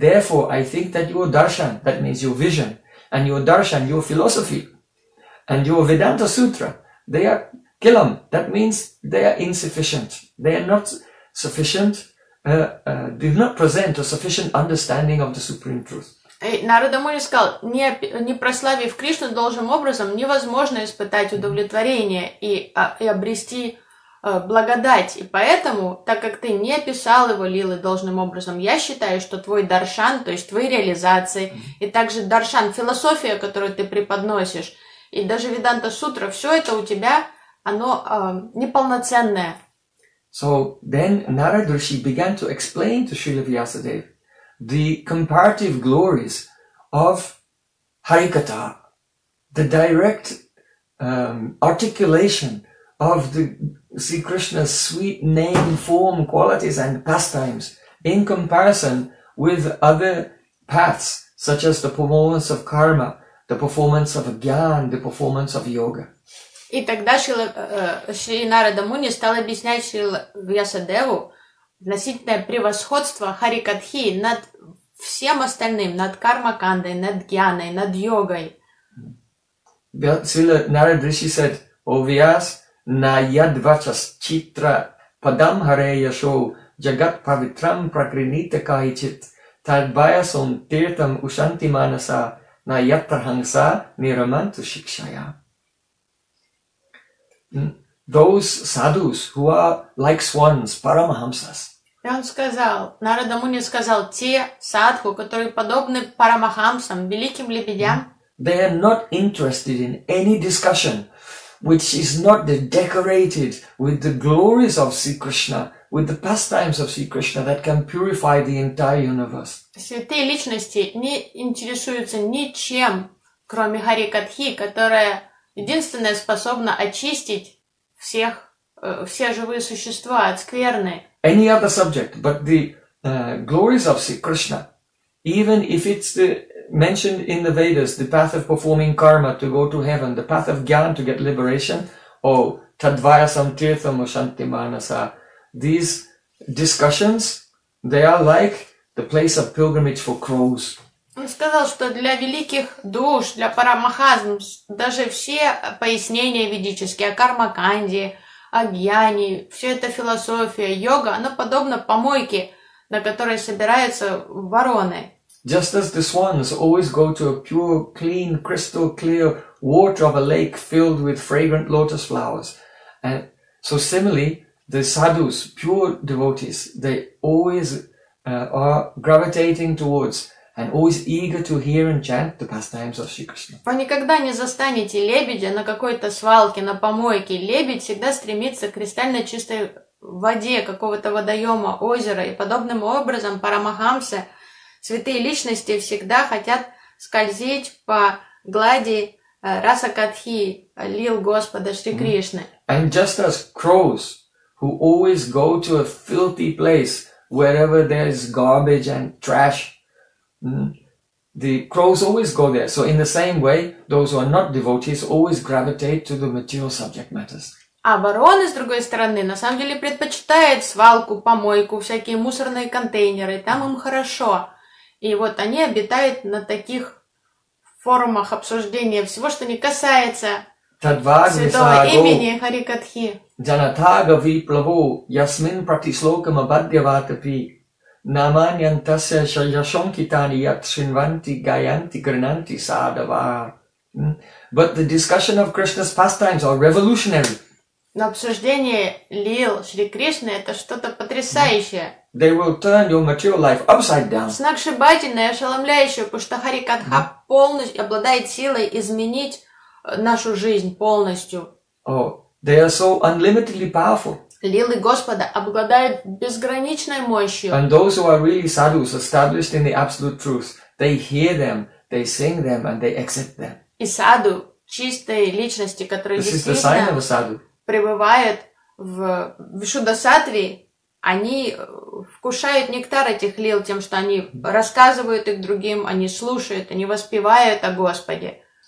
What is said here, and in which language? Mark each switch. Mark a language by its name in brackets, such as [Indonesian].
[English] Therefore, I think that your darshan, that means your vision, and your darshan, your philosophy, and your Vedanta Sutra, they are kilam, that means they are insufficient. They are not sufficient. Did not present a sufficient understanding of the Supreme Truth. [Russian] Narada Muni сказал, не прославив Кришну должным образом, невозможно испытать удовлетворение и обрести благодать. И поэтому, так как ты не описал его лилы должным образом, я считаю, что твой даршан, то есть твои реализации, и также даршан, философия, которую ты преподносишь, и даже Веданта Сутра, все это у тебя, оно неполноценное. [English] So then Narada Rishi began to explain to Srila Vyasadeva the comparative glories of Harikatha, the direct articulation of the Sri Krishna's sweet name, form, qualities and pastimes in comparison with other paths such as the performance of karma, the performance of jnana, the performance of yoga. [Russian] И тогда Шри Нарада Муни стал объяснять Шри Вьясадеву относительное превосходство Харикатхи над всем остальным, над кармакандой, над гьяной, над йогой. [Sanskrit] Шри Нарада Риши [English] said, [Sanskrit] «О Вьяс, на ядвачас читра падам харе яшоу, джагат павитрам пракрините кайчит, тадбаясом тиртам ушанти манаса, на ядтрханса нираманту шикшая». [English] Those sadhus who are like swans, paramahamsas. [Russian] И он сказал, Нарада Муни сказал, те садху, которые подобны парамахамсам, великим лебедям. [English] They are not interested in any discussion which is not decorated with the glories of Sri Krishna, with the pastimes of Sri Krishna that can purify the entire universe. [Russian] Святые личности не интересуются ничем, кроме Харикатхи, которая единственное способно очистить всех, все живые существа от скверны. [English] Any other subject, but the glories of Sri Krishna, even if it's the, mentioned in the Vedas, the path of performing karma to go to heaven, the path of jnana to get liberation, or [Sanskrit] tadvayasam tirtham ushanti manasa, [English] these discussions, they are like the place of pilgrimage for crows. [Russian] Он сказал, что для великих душ, для парамахазм, даже все пояснения ведические о кармаканде, о гьяне, все это философия, йога, она подобна помойке, на которой собираются вороны. [English] Just as the swans always go to a pure, clean, crystal clear water of a lake filled with fragrant lotus flowers. And so similarly, the sadhus, pure devotees, they always are gravitating towards and always eager to hear and chant the pastimes of Sri Krishna. [Russian] Вы никогда не застанете лебедя на какой-то свалке, на помойке. Лебедь всегда стремится к кристально чистой воде какого-то водоема, озера. И подобным образом парамахамсы, святые личности, всегда хотят скользить по глади Расакатхи, лил Господа Шри Кришны. [English] And just as crows, who always go to a filthy place wherever there is garbage and trash, the crows always go there. So in the same way, those who are not devotees always gravitate to the material subject matters. [Russian] А вороны, с другой стороны, на самом деле предпочитают свалку, помойку, всякие мусорные контейнеры, там им хорошо. И вот они обитают на таких форумах обсуждения всего, что не касается святого имени Харикатхи. [Sanskrit] Джанатага виплаву ясмин пратислокам абхадгавадапи наманьянтасе шайяшонкитани ят шинванти гаянти гринанти садавар. [English] But the discussion of Krishna's pastimes are revolutionary. [Russian] Но обсуждение лил Шри Кришны — это что-то потрясающее. [English] They will turn your material life upside down. [Russian] Сногсшибательное, ошеломляющее, потому что Харикатха полностью обладает силой изменить нашу жизнь полностью. [English] Oh, they are so unlimitedly powerful. [Russian] Лилы Господа обладают безграничной мощью. [English] And those who are really sadhus, established in the absolute truth, they hear them, they sing them, and they accept them. [Russian] И саду, чистые личности, которые [English] This [Russian] действительно... [English] is the sign of a sadhu. [Russian] Пребывают в Вишудасатве, они вкушают нектар этих лил тем, что они рассказывают их другим, они слушают, они воспевают о Господе.